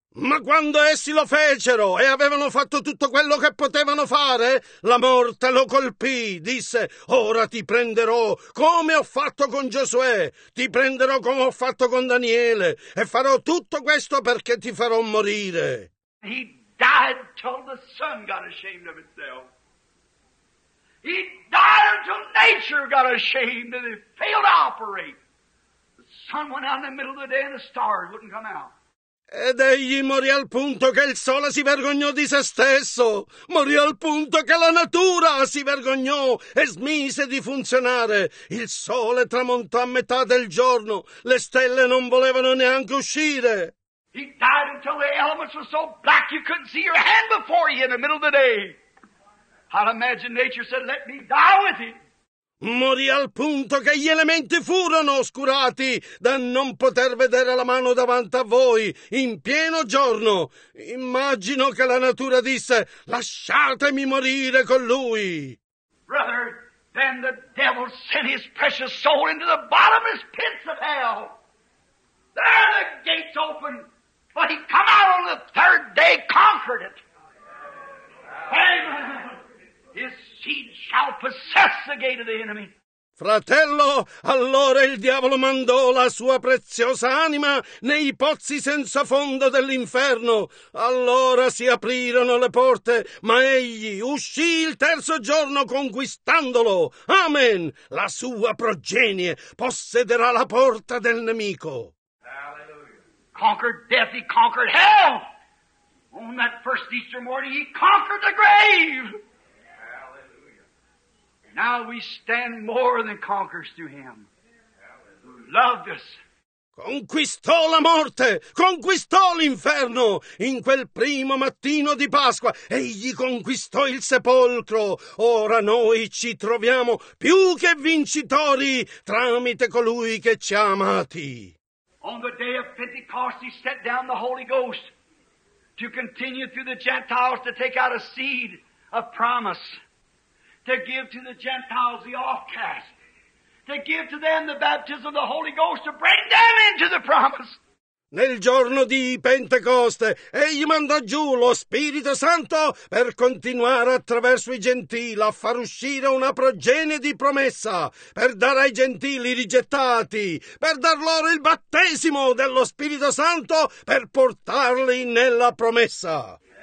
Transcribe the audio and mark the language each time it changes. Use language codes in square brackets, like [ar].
[it] Ma quando essi lo fecero e avevano fatto tutto quello che potevano fare, la morte lo colpì, disse, ora ti prenderò come ho fatto con Giosuè, ti prenderò come ho fatto con Daniele e farò tutto questo perché ti farò morire. [en] Died till the sun got ashamed of itself. He died until nature got ashamed and it failed to operate. The sun went out in the middle of the day and the stars wouldn't come out. [it] Ed egli morì al punto che il sole si vergognò di se stesso. Morì al punto che la natura si vergognò e smise di funzionare. Il sole tramontò a metà del giorno. Le stelle non volevano neanche uscire. [en] He died until the elements were so black you couldn't see your hand before you in the middle of the day. I'd imagine nature said, let me die with him. [it] Morì al punto che gli elementi furono oscurati da non poter vedere la mano davanti a voi in pieno giorno. Immagino che la natura disse, lasciatemi morire con lui. [en] Brother, then the devil sent his precious soul into the bottomless pits of hell. There the gates opened. But he come out on the third day, conquered it. Amen. His seed shall possess the gate of the enemy. [it] Fratello, allora il diavolo mandò la sua preziosa anima nei pozzi senza fondo dell'inferno. Allora si aprirono le porte, ma egli uscì il terzo giorno conquistandolo. Amen. La sua progenie possederà la porta del nemico. [en] Conquered death, he conquered hell. On that first Easter morning, he conquered the grave. Hallelujah. Now we stand more than conquerors through him. Hallelujah. Who loved us. [it] Conquistò la morte, conquistò l'inferno. In quel primo mattino di Pasqua, egli conquistò il sepolcro. Ora noi ci troviamo più che vincitori tramite colui che ci ha amati. [en] On the day of Pentecost, he sent down the Holy Ghost to continue through the Gentiles to take out a seed of promise, to give to the Gentiles the offcast, to give to them the baptism of the Holy Ghost to bring them into the promise. [it] Nel giorno di Pentecoste, egli mandò giù lo Spirito Santo per continuare attraverso i gentili a far uscire una progenie di promessa, per dare ai gentili rigettati, per dar loro il battesimo dello Spirito Santo, per portarli nella promessa.